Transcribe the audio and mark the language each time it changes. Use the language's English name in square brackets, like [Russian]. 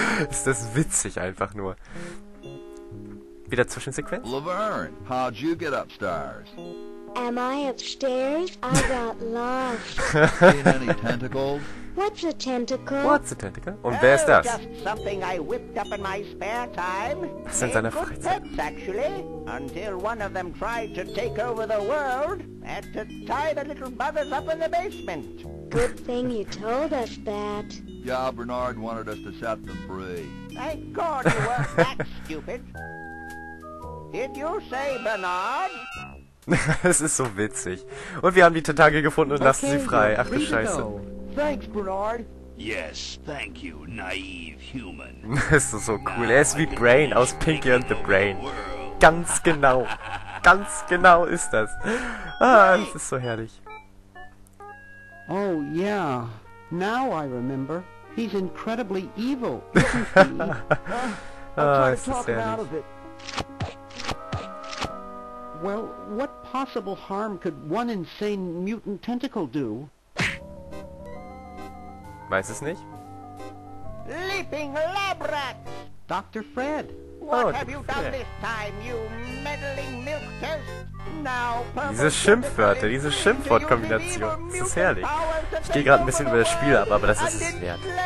[German] Ist das witzig einfach nur. Wieder Zwischensequenz? [English] Laverne, how'd you get upstairs? Am I upstairs? I got lost. Seen any tentacles? What's a tentacle? What's a tentacle? [German] Und wer ist das? [English] Just something I whipped up in my spare time. [German] Was sind seine Freizeit? [English] Good pets, actually. Until one of them tried to take over the world, had to tie the little brothers up in the basement. Good thing you told us that. Yeah, Bernard wanted us to set them free. Thank God you weren't that stupid. Did you say Bernard? [German] Es ist so witzig. Und wir haben die Tentakel gefunden und lassen sie frei. Ach du Scheiße. [English] Thanks, Bernard. Yes, thank you, naive human. [German] Das ist so cool. Er ist wie Brain aus Pinky and the Brain. Ganz genau. Ganz genau ist das. Ah, das ist so herrlich. [English] Oh, yeah. Now I remember. He's incredibly evil. Isn't he? [German] Ah, ist das herrlich. [English] Well, what possible harm could one insane mutant tentacle do? [German] Weiß es nicht. [English] Leaping lab rat! Dr. Fred! What have you done this time, you meddling milk test? Now, [German] diese Schimpfwörter, diese Schimpfwortkombination, das ist herrlich. Ich gehe gerade ein bisschen über das Spiel ab, aber das ist es wert.